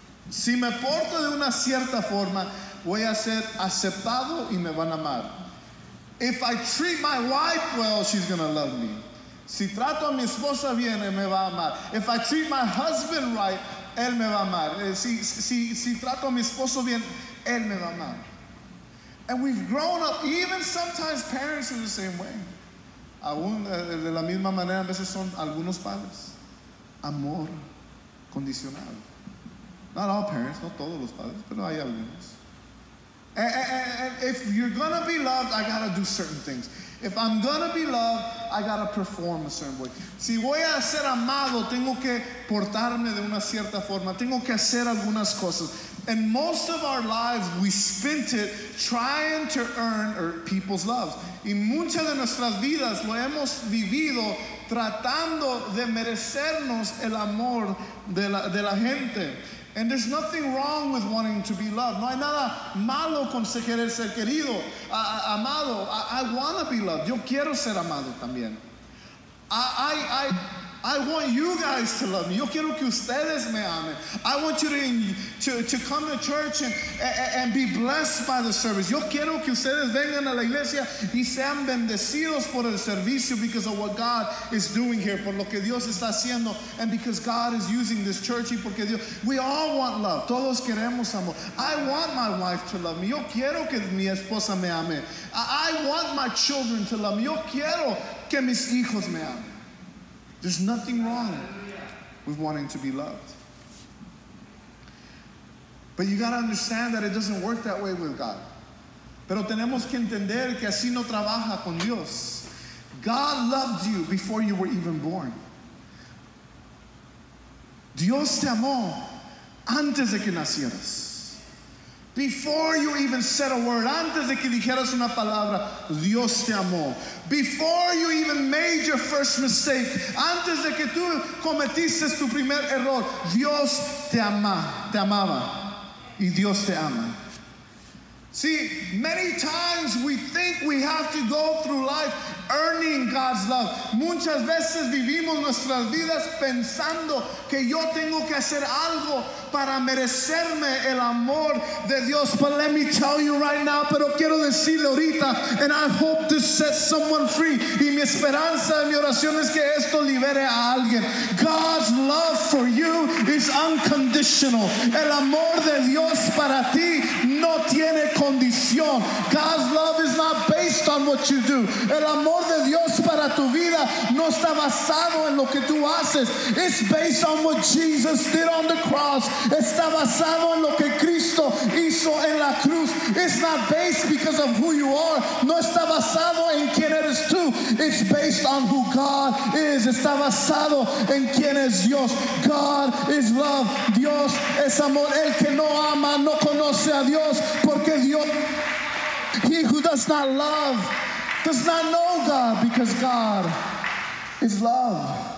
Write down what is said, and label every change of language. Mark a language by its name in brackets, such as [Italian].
[Spanish] Si me porto de una cierta forma, voy a ser aceptado y me van a amar. [English] If I treat my wife well, she's going to love me. [Spanish] Si trato a mi esposa bien, él me va a amar. [English] If I treat my husband right, [Spanish] él me va a amar. Si trato a mi esposo bien, él me va a amar. [English] And we've grown up, even sometimes parents in the same way. [Spanish] Aún de la misma manera, a veces son algunos padres. Amor condicional. [English] Not all parents, [Spanish] no todos los padres, pero hay algunos. [English] And if you're going to be loved, I got to do certain things. If I'm going to be loved, I got to perform a certain way. [Spanish] Si voy a ser amado, tengo que portarme de una cierta forma. Tengo que hacer algunas cosas. [English] And most of our lives, we spent it trying to earn people's love. [Spanish] Y muchas de nuestras vidas lo hemos vivido tratando de merecernos el amor de la gente. [English] And there's nothing wrong with wanting to be loved. [Spanish] No hay nada malo con querer ser querido, amado. [English] I want to be loved. [Spanish] Yo quiero ser amado también. [English] I want you guys to love me. [Spanish] Yo quiero que ustedes me amen. [English] I want you to come to church and be blessed by the service. [Spanish] Yo quiero que ustedes vengan a la iglesia y sean bendecidos por el servicio, [English] because of what God is doing here, [Spanish] por lo que Dios está haciendo, [English] and because God is using this church. [Spanish] Y porque Dios, [English] we all want love. [Spanish] Todos queremos amor. [English] I want my wife to love me. [Spanish] Yo quiero que mi esposa me ame. [English] I want my children to love me. [Spanish] Yo quiero que mis hijos me amen. [English] There's nothing wrong with wanting to be loved. But you gotta understand that it doesn't work that way with God. [Spanish] Pero tenemos que entender que así no trabaja con Dios. [English] God loved you before you were even born. [Spanish] Dios te amó antes de que nacieras. [English] Before you even said a word, [Spanish] antes de que dijeras una palabra, Dios te amó. [English] Before you even made your first mistake, [Spanish] antes de que tú cometiste tu primer error, Dios te amaba. Y Dios te ama. [English] See, many times we think we have to go through life earning God's love. [Spanish] Muchas veces vivimos nuestras vidas pensando que yo tengo que hacer algo para merecerme el amor de Dios. [English] But let me tell you right now, [Spanish] pero quiero decirle ahorita, [English] and I hope to set someone free. [Spanish] Y mi esperanza, mi oración es que esto libere a alguien. [English] God's love for you is unconditional. [Spanish] El amor de Dios para ti no tiene condición. [English] God's love is not based on what you do. [Spanish] El amor de Dios para tu vida no está basado en lo que tú haces. [English] It's based on what Jesus did on the cross. [Spanish] Está basado en lo que Cristo hizo en la cruz. [English] It's not based because of who you are. [Spanish] No está basado en quién eres tú. [English] It's based on who God is. [Spanish] Está basado en quién es Dios. [English] God is love. [Spanish] Dios es amor. El que no ama no conoce a Dios. Porque Dios, [English] he who does not love does not know God, because God is love.